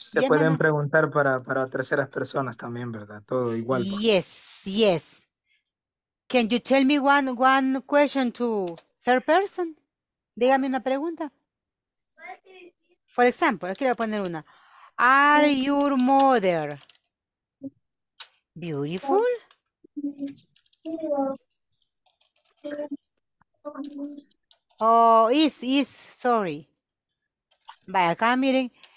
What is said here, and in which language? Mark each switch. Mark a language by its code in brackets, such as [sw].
[es] Se pueden preguntar para terceras personas también, ¿verdad? Todo igual. [en] Yes, yes. Can you tell me one question to third person? [es] Dígame una pregunta. [en] For example, [es] aquí le voy a poner una. [en] Are your mother beautiful? Oh, sorry. [es] Vaya, acá miren.